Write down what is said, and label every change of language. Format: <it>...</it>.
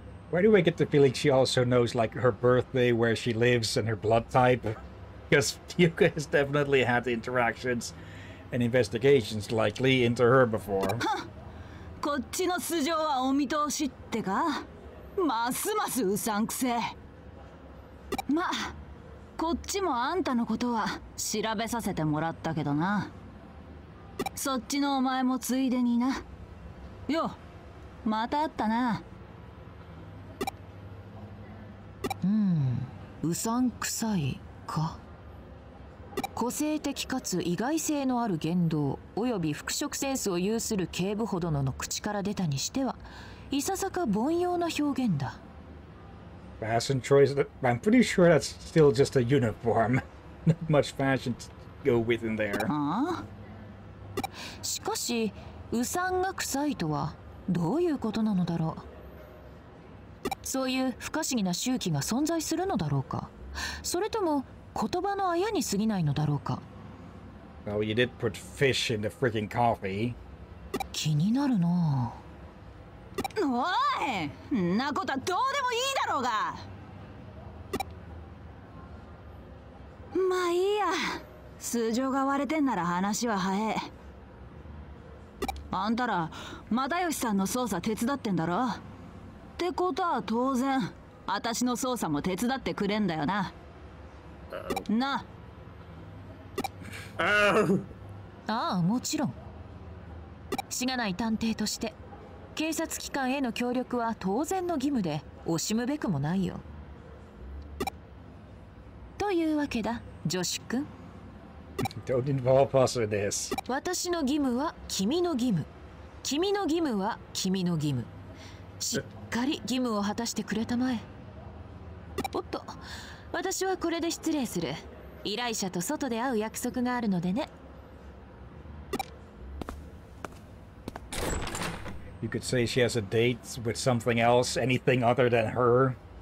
<en>Where do I get the feeling she also knows like her birthday, where she lives, and her blood type? Because Yuka has definitely had interactions and investigations likely into her before.</en> <ja>こっちの素性はお見通しってか？ますますうさんくせ。まあ、こっちもあんたのことは調べさせてもらったけどな。そっちのお前もついでにな。よ、また会ったな。うさんくさいか。個性的かつ意外性のある言動および服飾センスを有する警部補殿の口から出たにしてはいささか凡庸な表現だ。</ja> <en>Fashion choice? I'm pretty sure that's still just a uniform. Not much fashion to go with in there.</en> <ja>しかし、うさんが臭いとはどういうことなのだろう。そういう不可思議な周期が存在するのだろうか。それとも言葉のあやに過ぎないのだろうか。</ja> <en>Well, you did put fish in the freaking coffee.</en> <ja>気になるなぁ。おい、んなことはどうでもいいだろうが。まあいいや、素性が割れてんなら話は早え。あんたら又吉さんの捜査手伝ってんだろ。ってことは当然私の捜査も手伝ってくれんだよな。なあ。ああ、もちろん。しがない探偵として警察機関への協力は当然の義務で惜しむべくもないよ。というわけだ、ジョシュ君。</ja> <en>Don't involve us in this.</en> <ja>私の義務は君の義務。君の義務は君の義務。しっかり義務を果たしてくれたまえ。おっと、私はこれで失礼する。依頼者と外で会う約束があるのでね。</ja> <en>You could say she has a date with something else, anything other than her.</en>